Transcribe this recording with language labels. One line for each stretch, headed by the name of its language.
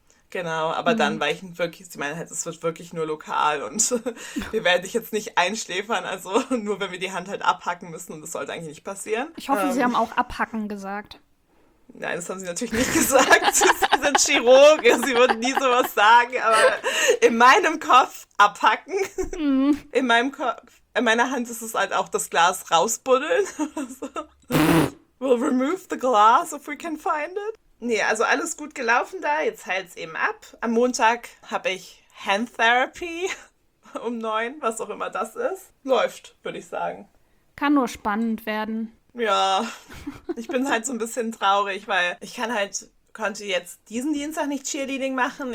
German: Genau, aber dann war ich wirklich, sie meinte halt, es wird wirklich nur lokal und wir werden dich jetzt nicht einschläfern, also nur wenn wir die Hand halt abhacken müssen und das sollte eigentlich nicht passieren. Ich hoffe, Sie haben auch abhacken gesagt. Nein, das haben sie natürlich nicht gesagt. Sie sind Chirurgen, sie würden nie sowas sagen, aber in meinem Kopf abhacken. In meinem Kopf, in meiner Hand ist es halt auch das Glas rausbuddeln.
English: We'll remove the glass if we can find it.
German: Nee, also alles gut gelaufen da. Jetzt heilt es eben ab. Am Montag habe ich Hand Therapy um 9, was auch immer das ist. Läuft, würde ich sagen. Kann nur spannend werden. Ja. Ich bin halt so ein bisschen traurig, weil ich konnte jetzt diesen Dienstag nicht Cheerleading machen.